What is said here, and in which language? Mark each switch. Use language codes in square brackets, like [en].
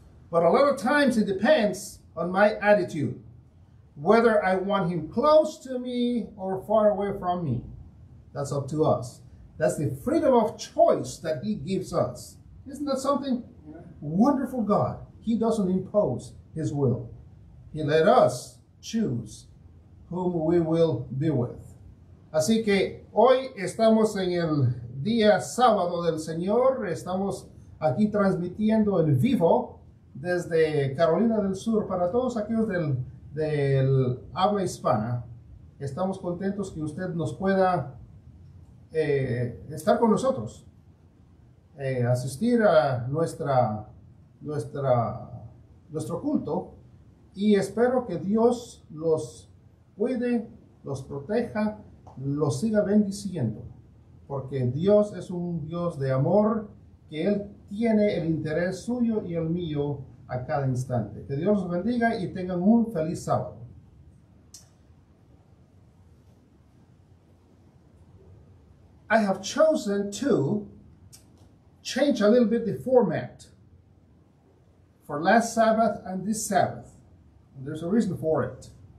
[en] But a lot of times it depends on my attitude, whether I want Him close to me or far away from me. That's up to us. That's the freedom of choice that He gives us. Isn't that something? Yeah. Wonderful God. He doesn't impose His will. He let us choose whom we will be with. [es] Así que hoy estamos en el día sábado del Señor. Estamos aquí transmitiendo en vivo desde Carolina del Sur para todos aquellos del habla hispana. Estamos contentos que usted nos pueda estar con nosotros, asistir a nuestro culto, y espero que Dios los cuide, los proteja, los siga bendiciendo, porque Dios es un Dios de amor, que Él tiene el interés suyo y el mío a cada instante. Que Dios los bendiga y tengan un feliz sábado. [en] I have chosen to change a little bit the format for last Sabbath and this Sabbath. And there's a reason for it.